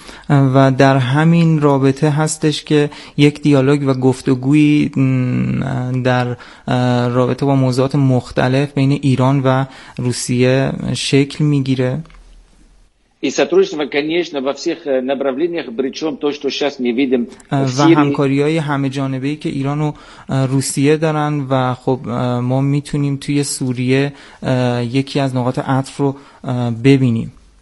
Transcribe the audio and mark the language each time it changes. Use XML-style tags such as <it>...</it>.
<fa>و در همین رابطه هستش که یک دیالوگ و گفتگوی در رابطه با موضوعات مختلف بین ایران و روسیه شکل میگیره.</fa> <ru>И сотрудничество, конечно, во всех направлениях, причем то, что сейчас мы видим в Сирии.</ru> <fa>و همکاری‌های همه‌جانبه‌ای که ایران و روسیه دارن، و خب ما میتونیم توی سوریه یکی از نقاط عطف رو ببینیم.</fa>